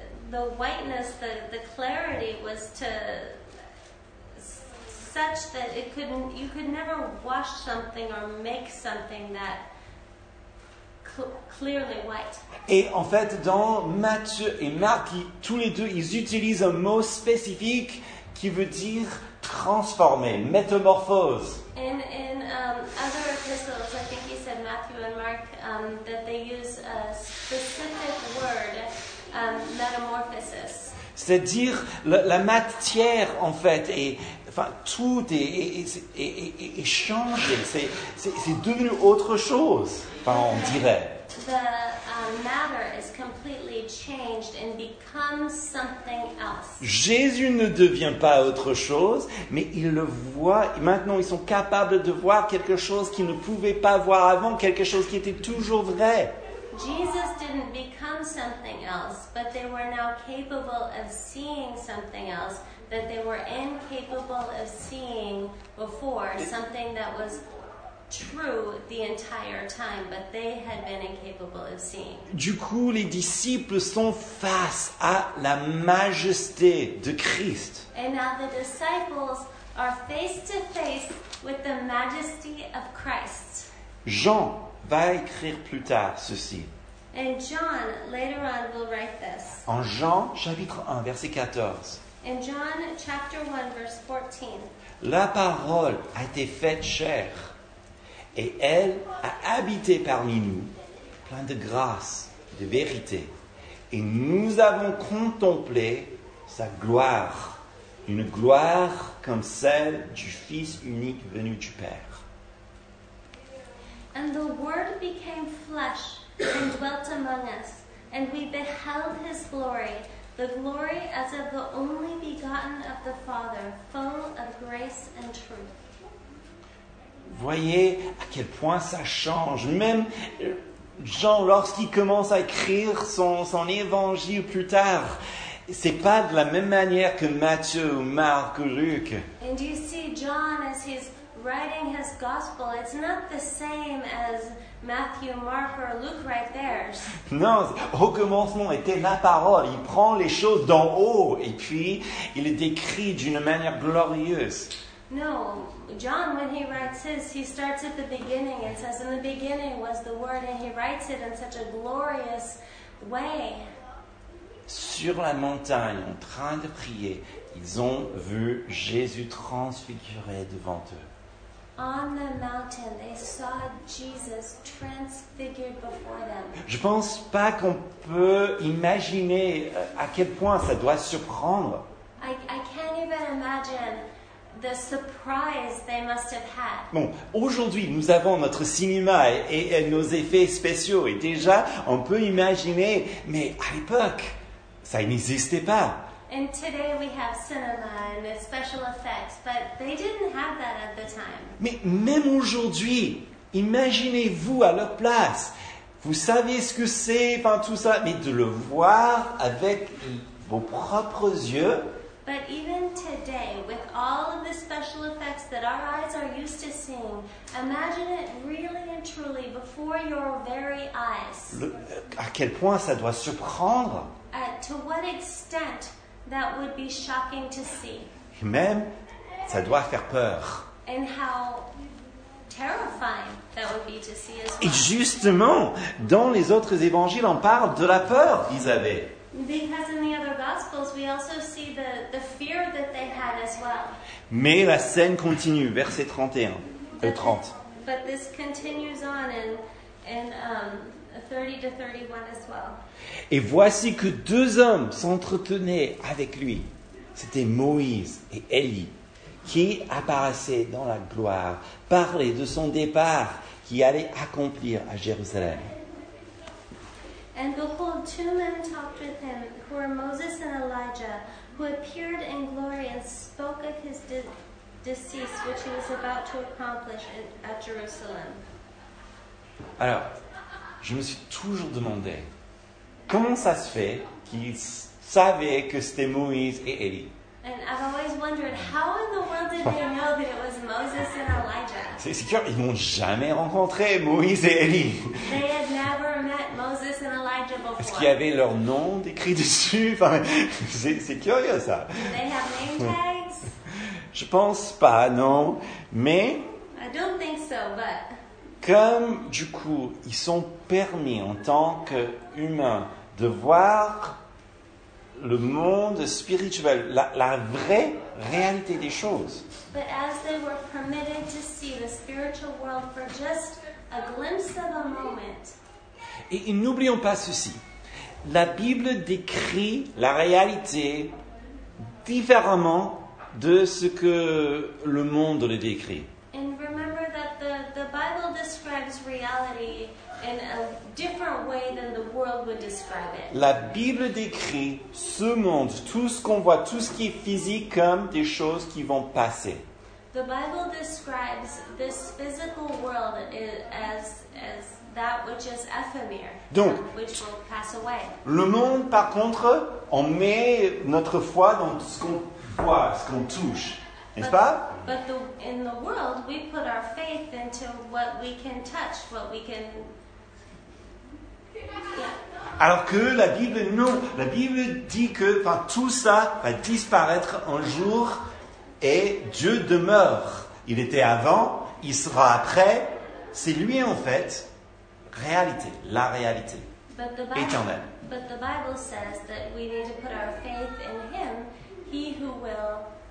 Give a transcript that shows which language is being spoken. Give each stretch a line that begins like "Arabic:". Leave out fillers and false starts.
English: The whiteness, the clarity was to such that it couldn't, you could never wash something or make something that clearly white.
French: Et en fait, dans Matthieu et Marc, tous les deux, ils utilisent un mot spécifique qui veut dire transformer, métamorphose.
English: In other epistles, I think he said Matthew and Mark, that they use a specific word, metamorphosis.
French: C'est-à-dire la matière, en fait, tout est changé, c'est devenu autre chose, on dirait.
English: The matter is completely changed and becomes something else.
French: Jésus ne devient pas autre chose, mais ils le voient. Maintenant, ils sont capables de voir quelque chose qu'ils ne pouvaient pas voir avant, quelque chose qui était toujours vrai.
English: Jesus didn't become something else, but they were now capable of seeing something else that they were incapable of seeing before, something that was true the entire time, but they had been incapable of seeing.
French: Du coup, les disciples sont face à la majesté de Christ.
English: And now the disciples are face to face with the majesty of Christ.
French: Jean va écrire plus tard ceci.
English: And John later on will write this.
French: En Jean chapitre 1 verset 14.
English: In John chapter 1 verse 14.
French: La parole a été faite chair et elle a habité parmi nous, plein de grâce, de vérité, et nous avons contemplé sa gloire, une gloire comme celle du Fils unique venu du Père.
English: And the Word became flesh and dwelt among us, and we beheld his glory, the glory as of the only begotten of the Father, full of grace and truth.
French: Voyez à quel point ça change. Même Jean, lorsqu'il commence à écrire son évangile plus tard, c'est pas de la même manière que Matthieu, Marc ou Luc.
English: And you see John as he's writing his gospel, it's not the same as Matthew, Mark, or Luke write theirs.
French: Non, au commencement était la parole. Il prend les choses d'en haut et puis il les décrit d'une manière glorieuse.
English: No, John, when he writes his, he starts at the beginning and says, in the beginning was the Word, and he writes it in such a glorious way.
French: Sur la montagne, en train de prier, ils ont vu Jésus transfiguré devant eux.
English: On the mountain, they saw Jesus transfigured before them.
French: Je pense pas qu'on peut imaginer à quel point ça doit surprendre.
English: I can't even imagine the surprise they must have had.
French: Bon, aujourd'hui, nous avons notre cinéma et nos effets spéciaux. Et déjà, on peut imaginer, mais à l'époque, ça n'existait pas.
English: And today we have cinema and special effects, but they didn't have that at the time.
French: Mais même aujourd'hui, imaginez-vous à leur place. Vous savez ce que c'est, enfin tout ça, mais de le voir avec vos propres yeux.
English: But even today, with all of the special effects that our eyes are used to seeing, imagine it really and truly before your very eyes.
French: À quel point ça doit surprendre?
English: To what extent that would be shocking to see.
French: Et même, ça doit faire peur.
English: And how terrifying that would be to see as well.
French: Et justement, dans les autres évangiles, on parle de la peur qu'ils avaient.
English: Because in the other gospels, we also see the fear that they had as well.
French: Mais la scène continue, verset 31, 30.
English: But this continues on in 30 to 31 as well.
French: Et voici que deux hommes s'entretenaient avec lui. C'était Moïse et Élie, qui apparaissaient dans la gloire, parlaient de son départ qui allait accomplir à Jérusalem.
English: And behold, two men talked with him, who were Moses and Elijah, who appeared in glory and spoke of his decease, which he was about to accomplish at Jerusalem.
French: Alors, je me suis toujours demandé, comment ça se fait qu'ils savaient que c'était Moïse et Élie?
English: And I've always wondered, how in the world did they know that it was Moses and Elijah?
French: C'est sûr, ils n'ont jamais rencontré Moïse et Élie.
English: They had never met Moses and Elijah before.
French: Est-ce qu'il y avait leur nom écrit dessus? Enfin, c'est curieux ça.
English: Did they have name tags?
French: Je pense pas, non. Mais...
English: I don't think so, but...
French: Comme, du coup, ils sont permis en tant qu'humains de voir le monde spirituel, la vraie réalité des choses.
English: But as they were permitted to see the spiritual world for just a glimpse of a moment.
French: Et n'oublions pas ceci. La Bible décrit la réalité différemment de ce que le monde le décrit.
English: And remember that the Bible describes reality in a different way than the world would describe it.
French: La Bible décrit ce monde, tout ce qu'on voit, tout ce qui est physique comme des choses qui vont passer.
English: The Bible describes this physical world as that which is ephemeral,
French: donc,
English: which will pass away.
French: Le monde, par contre, on met notre foi dans ce qu'on voit, ce qu'on touche. N'est-ce pas?
English: But in the world, we put our faith into what we can touch, what we can... Yeah.
French: Alors que la Bible, non. La Bible dit que tout ça va disparaître un jour et Dieu demeure. Il était avant, il sera après. C'est lui, en fait, la réalité.
English: But the Bible,
French: éternelle.
English: But the Bible says that we need to put our faith in him, he who will...